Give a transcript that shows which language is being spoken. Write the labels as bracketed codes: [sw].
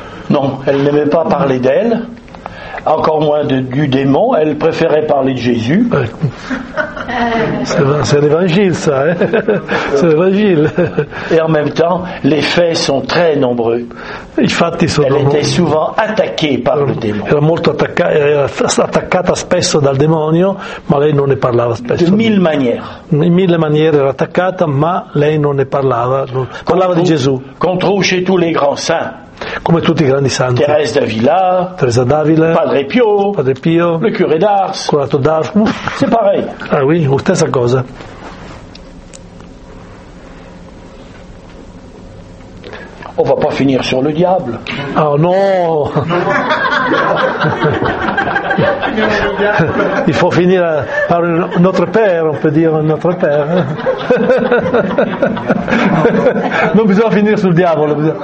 [fr] Non, elle n'aimait pas parler d'elle, encore moins du démon, elle préférait parler de Jésus. C'est l'évangile ça, hein? C'est l'évangile. Et en même temps, les faits sont très nombreux. [it] Infatti, [fr] elle était souvent attaquée par le démon. [it] Era molto attaccata spesso dal demonio, ma lei non ne parlava spesso. In mille maniere era attaccata, ma lei non ne parlava. Parlava di Gesù. [fr] Contro chez tous les grands saints. [it] Come tutti i grandi santi. [fr] Teresa d'Avila, Padre Pio, le curé d'Ars, [it] curato d'Ars. [fr] C'est pareil. Ah oui, [it] stessa cosa. [fr] On va pas finir sur le diable. Oh non. Il faut finir par notre père, on peut dire notre père. [it] Non bisogna finire sul diavolo.